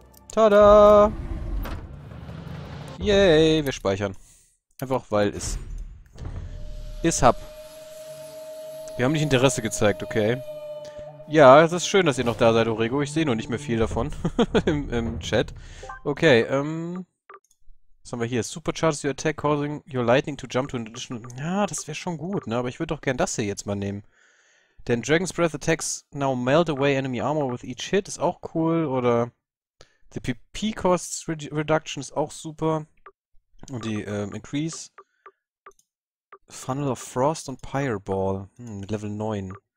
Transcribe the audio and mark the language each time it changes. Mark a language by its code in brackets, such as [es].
[de] Tada! Yay, wir speichern. Einfach weil es... ist hab. Wir haben nicht Interesse gezeigt, okay. Ja, es ist schön, dass ihr noch da seid, Orego. Ich sehe nur nicht mehr viel davon im Chat. Okay, was haben wir hier? [en] Supercharges your attack, causing your lightning to jump to an additional... [de] Ja, das wäre schon gut, ne? Aber ich würde doch gern das hier jetzt mal nehmen. Denn [en] Dragon's Breath attacks now melt away enemy armor with each hit [de] ist auch cool. Oder [en] the PP costs reduction [de] ist auch super. Und die Increase Funnel of Frost und Pyre Ball. Mit Level 9.